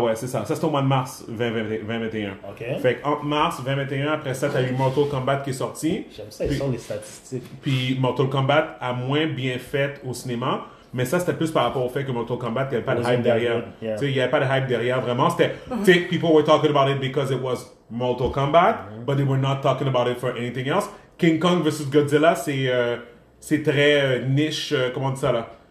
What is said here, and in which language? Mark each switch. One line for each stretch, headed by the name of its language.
French: ouais, c'est ça. Ça, c'était au mois de mars 2021. OK. Fait qu'entre mars 2021, après ça, t'as eu Mortal Kombat qui est sorti. J'aime ça, puis, ils sont les statistiques. Puis Mortal Kombat a moins bien fait au cinéma. Mais ça, c'était plus par rapport au fait que Mortal Kombat, il n'y avait pas de hype derrière. Yeah. Tu sais, il n'y avait pas de hype derrière, vraiment. C'était, tu sais,
English: people were talking about it because it was Mortal Kombat, mm-hmm. but they were not talking about it for anything else.
French: King Kong versus Godzilla, c'est très niche, comment on dit ça là?